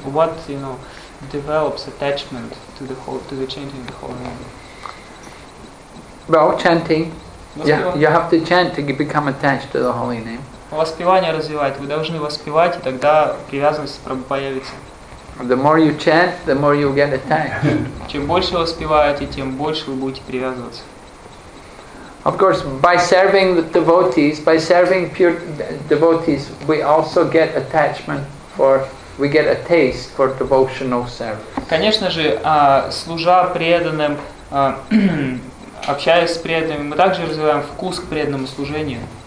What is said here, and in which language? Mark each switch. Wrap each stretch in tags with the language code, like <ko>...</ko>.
<en>What, you know, develops attachment to the whole, to the chanting of the whole name? Well, chanting. Yeah, you have to chant to become attached to the holy name.</en> <ru>Воспевание развивает. Вы должны воспевать, и тогда привязанность появится.</ru> <en>The more you chant, the more you get attached.</en> <ru>Чем больше воспеваете, тем больше вы будете привязываться.</ru> <en>Of course, by serving the devotees, by serving pure devotees, we also get attachment for, we get a taste for devotional service.</en> <ru>Конечно же, служа преданным, общаясь с преданными, мы также развиваем вкус к преданному служению.</ru>